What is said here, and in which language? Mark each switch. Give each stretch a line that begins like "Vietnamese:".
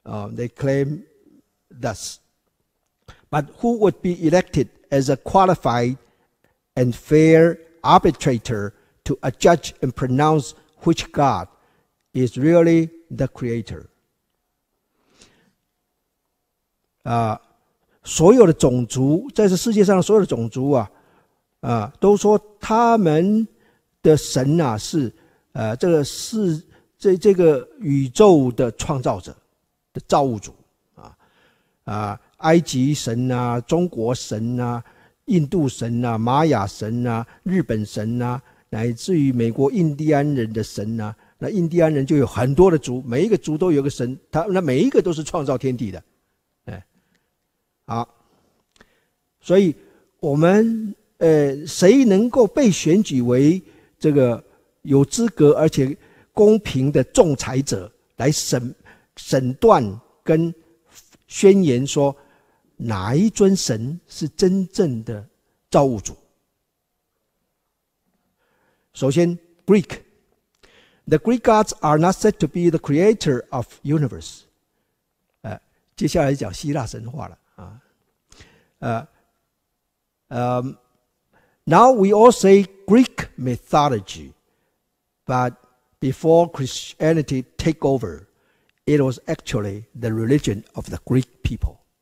English: They claim thus. But who would be elected as a qualified and fair arbitrator to adjudge and pronounce which god is really the creator?
Chinese: 所有的种族在这世界上所有的种族都说他们的神啊是这个是这个宇宙的创造者的造物主埃及神啊，中国神啊，印度神啊，玛雅神啊，日本神啊，乃至于美国印第安人的神啊，那印第安人就有很多的族，每一个族都有个神，他那每一个都是创造天地的。好，所以我们谁能够被选举为这个有资格而且公平的仲裁者来审断跟宣言说哪一尊神是真正的造物主？
English: 首先 ，Greek, the Greek gods are not said to be the creator of universe。
Chinese: 接下来讲希腊神话了。
English: Now we all say Greek mythology, but before Christianity take over, it was actually the religion of the Greek people.